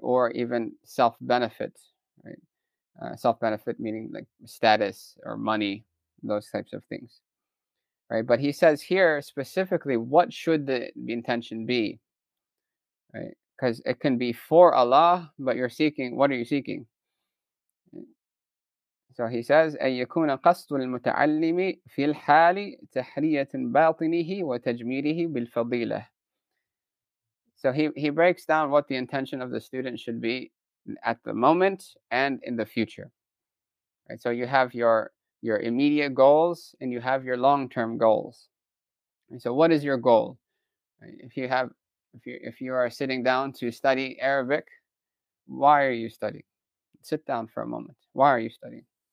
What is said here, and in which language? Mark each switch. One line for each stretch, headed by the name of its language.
English: Or even self-benefit, right? Self-benefit meaning like status or money, those types of things, right? But he says here specifically, what should the intention be, right? Because it can be for Allah, but you're seeking, what are you seeking?
Arabic: So he says, أن يكون قصد المتعلم في الحال تحرية باطنه وتجميله بالفضيلة.
English: So he breaks down what the intention of the student should be at the moment and in the future. Right? So you have your immediate goals and you have your long-term goals. And so what is your goal? If you are sitting down to study Arabic, why are you studying? Sit down for a moment. Why are you studying?